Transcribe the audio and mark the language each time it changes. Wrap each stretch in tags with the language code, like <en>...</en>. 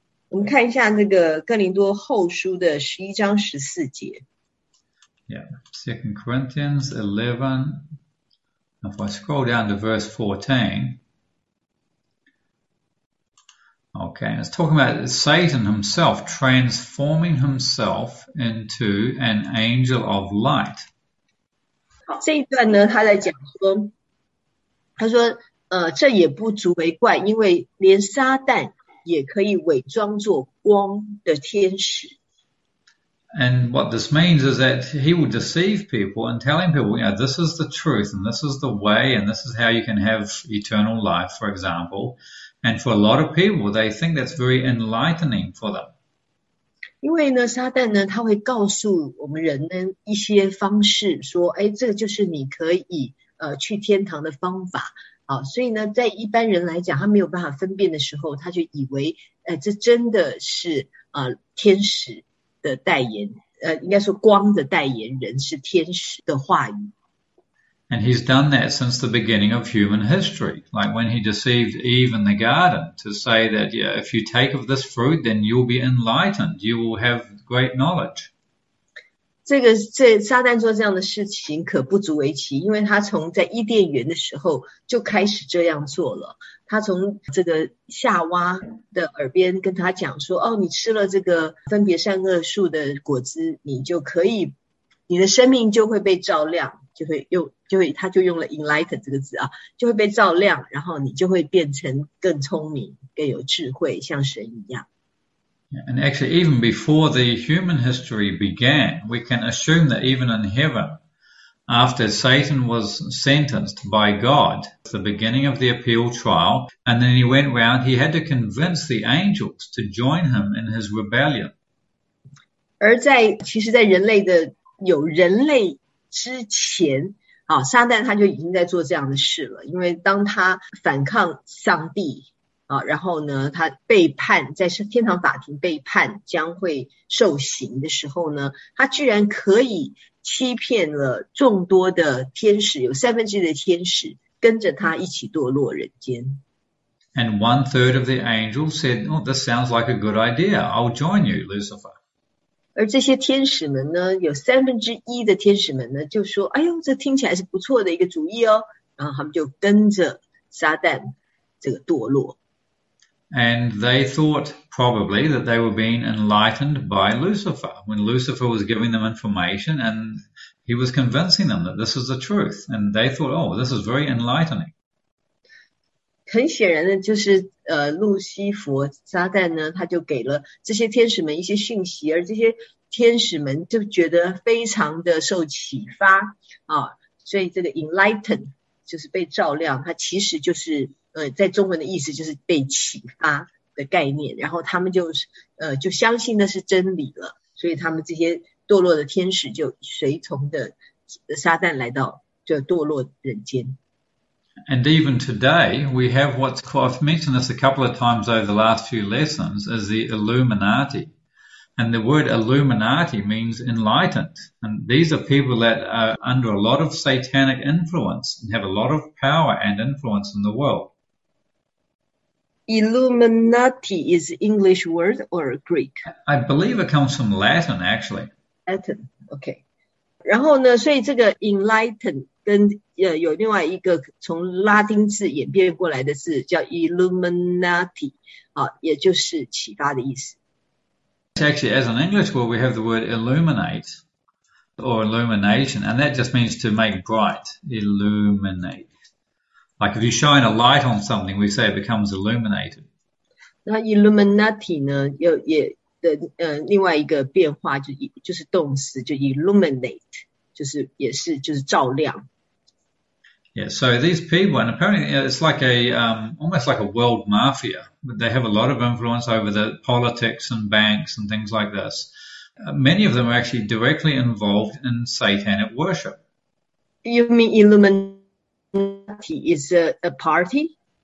<zh>我们看一下那个《哥林多后书》的11章14节。</zh> <en>Yeah, 2 Corinthians 11. If I scroll down to verse 14, okay, it's talking about Satan himself transforming himself into an angel of light.</en> <zh>好，这一段呢，他在讲说，他说，这也不足为怪，因为连撒旦也可以伪装作光的天使。</zh> <en>And what this means is that he will deceive people and telling people, this is the truth and this is the way and this is how you can have eternal life, for example. And for a lot of people, they think that's very enlightening for them.</en> <zh>因为呢，撒旦呢，他会告诉我们人呢一些方式，说，哎，这就是你可以去天堂的方法啊。所以呢，在一般人来讲，他没有办法分辨的时候，他就以为，这真的是天使的代言，应该说光的代言人是天使的话语。</zh> <en>And he's done that since the beginning of human history, like when he deceived Eve in the garden to say that, if you take of this fruit, then you'll be enlightened, you will have great knowledge.</en> <zh>这撒旦做这样的事情可不足为奇，因为他从在伊甸园的时候就开始这样做了。他从这个夏娃的耳边跟他讲说：“哦，你吃了这个分别善恶树的果子，你就可以，你的生命就会被照亮，就会用，就会，他就用了 enlighten 这个字啊，就会被照亮，然后你就会变成更聪明、更有智慧，像神一样。”</zh> <en>And actually, even before the human history began, we can assume that even in heaven, after Satan was sentenced by God, the beginning of the appeal trial, and then he went round, he had to convince the angels to join him in his rebellion.</en> <zh>而在其实，在人类的有人类之前，撒旦他就已经在做这样的事了。因为当他反抗上帝然后呢，他被判在天堂法庭被判将会受刑的时候呢，他居然可以欺骗了众多的天使，有三分之一的天使跟着他一起堕落人间。</zh> <en>And one third of the angels said, Oh, this sounds like a good idea. I'll join you, Lucifer.</en> <zh>而这些天使们呢，有三分之一的天使们呢，就说：“哎呦，这听起来是不错的一个主意哦。 ”然后他们就跟着撒旦这个堕落。</zh> <en>And they thought probably that they were being enlightened by Lucifer when Lucifer was giving them information and he was convincing them that this is the truth. And they thought, Oh, this is very enlightening.</en> <zh>很显然的，就是路西佛撒旦呢，他就给了这些天使们一些讯息，而这些天使们就觉得非常的受启发所以这个 enlighten 就是被照亮，它其实就是在中文的意思就是被启发的概念，然后他们就相信那是真理了，所以他们这些堕落的天使就随从的撒旦来到这堕落人间。</zh> <en>And even today, we have what's called, I've mentioned this a couple of times over the last few lessons, is the Illuminati. And the word Illuminati means enlightened. And these are people that are under a lot of satanic influence and have a lot of power and influence in the world. Illuminati is English word or Greek? I believe it comes from Latin, actually. Latin, OK.</en> <zh>然后呢，所以这个 enlighten 跟有另外一个从拉丁字演变过来的字叫 Illuminati，也就是启发的意思。</zh> <en>Actually, as an English word, we have the word illuminate or illumination, and that just means to make bright, illuminate. Like if you shine a light on something, we say it becomes illuminated.</en> <zh>那 Illuminati 呢，又也的另外一个变化就是动词，就 illuminate，就是照亮。</zh> <en>Yeah, so these people, and apparently it's like almost like a world mafia. They have a lot of influence over the politics and banks and things like this. Many of them are actually directly involved in satanic worship. You mean Illuminati is a party?</en>